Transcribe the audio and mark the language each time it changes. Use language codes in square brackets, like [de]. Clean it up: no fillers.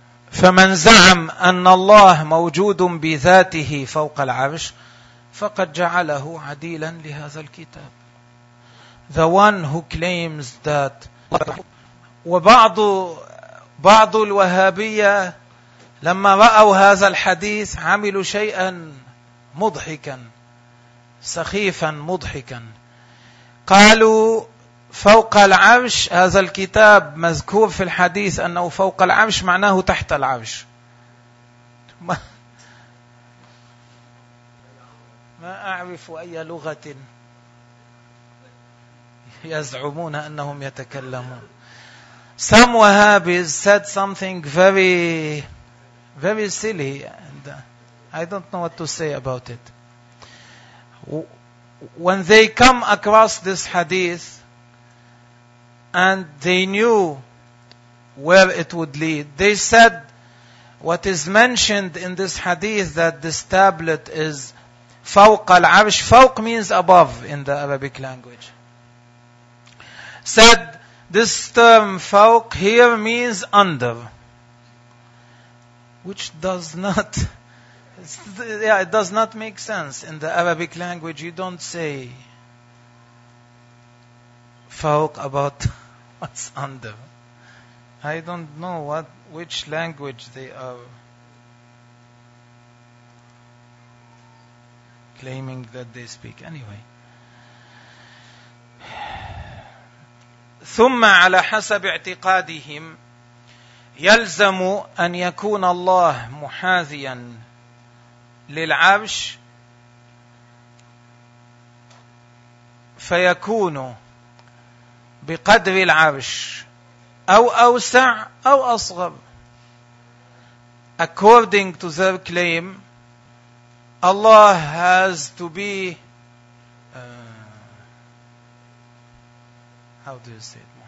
[ar] فمن زعم أن الله موجود بذاته فوق العرش فقد جعله عديلا لهذا الكتاب. [en] The one who claims that, [ar] وبعض الوهابية لما رأوا هذا الحديث عملوا شيئا مضحكا سخيفا مضحكا، قالوا فوق العرش، هذا الكتاب مذكور في الحديث أنه فوق العرش معناه تحت العرش، ما أعرف أي لغة يزعمون أنهم يتكلمون. [en] Some Wahhabis said something very, very silly, and I don't know what to say about it. When they come across this hadith, and they knew where it would lead, they said, what is mentioned in this hadith that this tablet is [ar] فوق العرش. [en] فوق means above in the Arabic language. Said, this term فوق here means under. Which does not, it does not make sense. In the Arabic language, you don't say فوق about what's under. I don't know what, which language they are claiming that they speak. Anyway. [ar] ثم على حسب اعتقادهم يلزم أن يكون الله محاذيا للعرش فيكون بقدر العرش أو أوسع أو أصغر. [en] According to their claim, Allah has to be how do you say it?